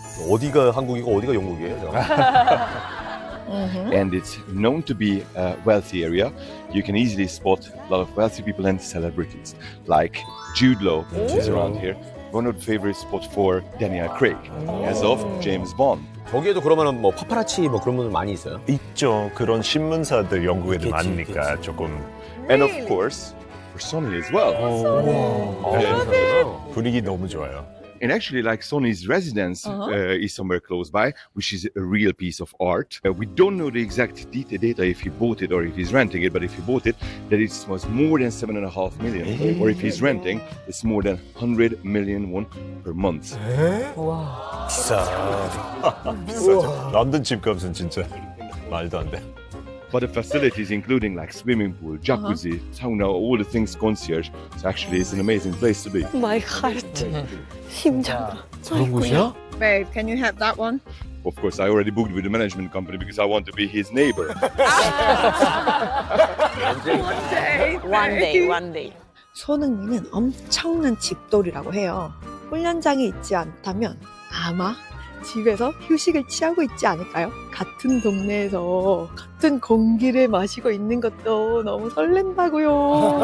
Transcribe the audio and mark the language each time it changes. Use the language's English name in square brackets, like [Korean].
[Korean] 어디가 한국이고 어디가 영국이에요? [English] And it's known to be a wealthy area. You can easily spot a lot of wealthy people and celebrities like Jude Law, which is around here. One of the favorite spots for Daniel Craig, as of James Bond. [Korean] 거기에도 그러면 뭐 파파라치 뭐 그런 분들 많이 있어요? 있죠. 그런 신문사들 영국에도 많으니까 조금. [English] And of course, for Sony as well. Sony. [Korean] 분위기 너무 좋아요. [English] And actually, like Sony's residence is somewhere close by, which is a real piece of art. We don't know the exact data if he bought it or if he's renting it, but if he bought it, that it was more than 7.5 million, or if he's renting, it's more than 100 million won per month. [Korean] 와, 진짜. 런던 집값은 진짜 말도 안 돼. [English] But the facilities, including like swimming pool, jacuzzi, sauna, all the things concierge, so actually it's an amazing place to be. My heart, 심장. [Korean] 저런 곳이야? [English] Babe, can you have that one? Of course, I already booked with the management company because I want to be his neighbor. One day. [Korean] 손흥민은 엄청난 집돌이라고 해요. 훈련장이 있지 않다면 아마 집에서 휴식을 취하고 있지 않을까요? 같은 동네에서 같은 공기를 마시고 있는 것도 너무 설렌다고요.